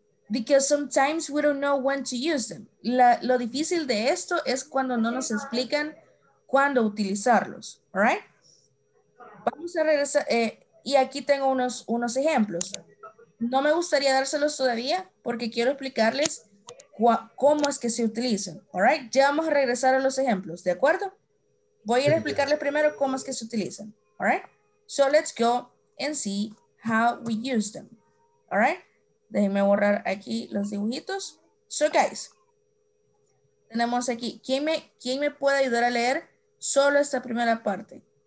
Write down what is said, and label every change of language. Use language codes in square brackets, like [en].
[en] Because sometimes we don't know when to use them. [es] Lo difícil de esto es cuando no nos explican cuándo utilizarlos. [en] All right? [es] Vamos a regresar. Y aquí tengo unos ejemplos. No me gustaría dárselos todavía porque quiero explicarles cómo es que se utilizan. [en] All right? [es] Ya vamos a regresar a los ejemplos. ¿De acuerdo? Voy a ir a explicarles primero cómo es que se utilizan. [en] All right? So let's go and see how we use them. All right? [es] Déjenme borrar aquí los dibujitos. [en] So guys, [es] tenemos aquí, ¿quién me puede ayudar a leer solo esta primera parte?